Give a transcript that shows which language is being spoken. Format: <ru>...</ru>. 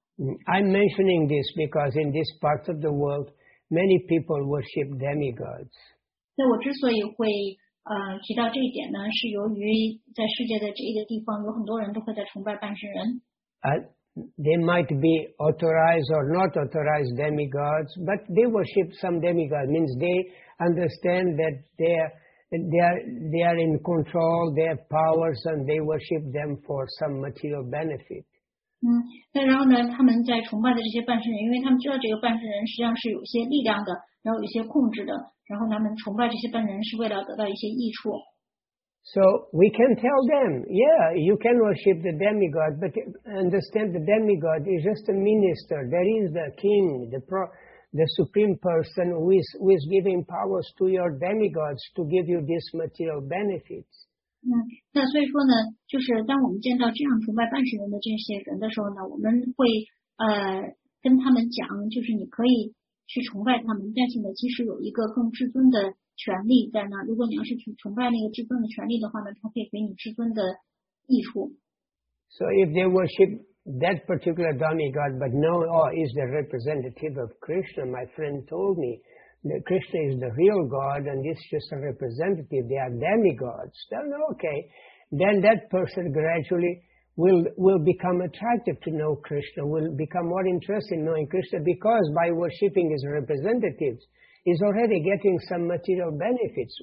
<en>I'm mentioning this because in this part of the world, many people worship demigods.</en> <zh>那我之所以会提到这一点呢，是由于在世界的这一个地方，有很多人都会在崇拜半神人。</zh> <en>They might be authorized or not authorized demigods, but they worship some demigods. Means they understand that they are in control, they have powers, and they worship them for some material benefit.</en> <zh>那然后呢，他们在崇拜的这些半神人，因为他们知道这个半神人实际上是有些力量的，然后有些控制的，然后他们崇拜这些半神人是为了得到一些益处。</zh> <en>So we can tell them, yeah, you can worship the demigod, but understand the demigod is just a minister. There is the king, the supreme person who is giving powers to your demigods to give you this material benefits.</en> <zh>那所以说呢，就是当我们见到这样崇拜半神人的这些人的时候呢，我们会跟他们讲，就是你可以去崇拜他们，但是呢，其实有一个更至尊的权利在那。如果你要是去崇拜那个至尊的权利的话呢，他可以给你至尊的益处。</zh> <en>So if they worship that particular demigod, but no, oh, is the representative of Krishna. My friend told me. Krishna is the real God, and this is just a representative. They are demigods. Then, okay, then that person gradually will become attracted to know Krishna, will become more interested in knowing Krishna, because by worshipping his representatives, he's already getting some material benefits.</en>